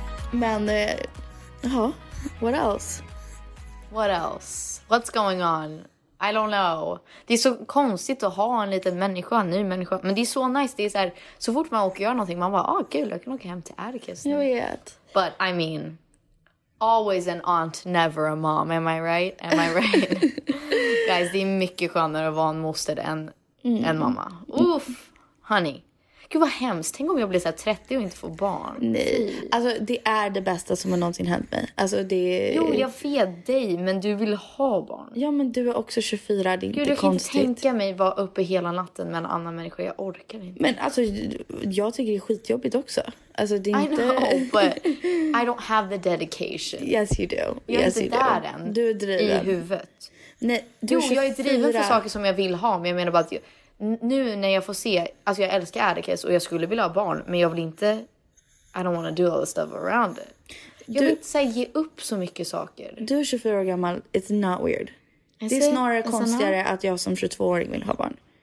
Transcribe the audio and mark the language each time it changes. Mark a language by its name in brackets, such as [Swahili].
[Swedish] Men, ja. [English] What else? What else? What's going on? I don't know. [Swedish] Det är så konstigt att ha en liten människa, en ny människa. Men det är så nice. Det är så här, så fort man åker och gör någonting, man bara, ah, gud, jag kan åka hem till Atticus nu. Jag vet. [English] But I mean, always an aunt, never a mom. Am I right? Am I right? [Swedish] Guys, det är mycket skönare att vara en moster än en mamma. Oof, honey. Gud vad hemskt, tänk om jag blir så här 30 och inte får barn. Nej, alltså det är det bästa som har någonsin hänt mig. Alltså det... Jo, jag fed dig, men du vill ha barn. Ja, men du är också 24, det är, gud, inte konstigt. Gud, jag kan tänka mig vara uppe hela natten med en annan människa, jag orkar inte. Men alltså, jag tycker det är skitjobbigt också. Alltså det är inte... [English] I know, but I don't have the dedication. Yes, you do. [Swedish] Jag är [English] yes, [Swedish] inte där än. Du är driven. I huvudet. Nej, du är 24. Jo, jag är driven för saker som jag vill ha, men jag menar bara att... Nu när jag får se, alltså jag älskar Atticus och jag skulle vilja ha barn, men jag vill inte, [English] I don't want to do all the stuff around it. [Swedish] Jag vill inte säga ge upp så mycket saker. Du är 24 år gammal, [English] it's not weird. [Swedish] Det är snarare konstigare att jag som 22-åring vill ha barn.